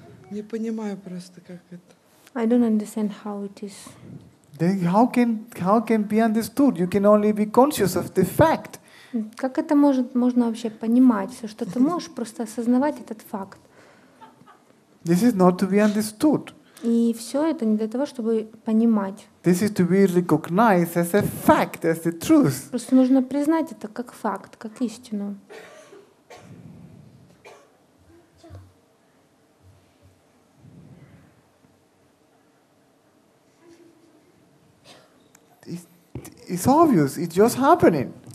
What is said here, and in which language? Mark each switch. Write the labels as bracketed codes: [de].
[ru] Не понимаю просто, как это. [en] I don't understand how it is. Then how can be understood? You can only be conscious of the fact. [ru] Как это можно вообще понимать? Все, что ты можешь просто осознавать этот факт. [en] This is not to be understood. [ru] И все это не для того, чтобы понимать. [en] This is to be recognized as a fact, as the truth. [ru] Просто нужно признать это как факт, как истину. [en] It's obvious. It's just happening.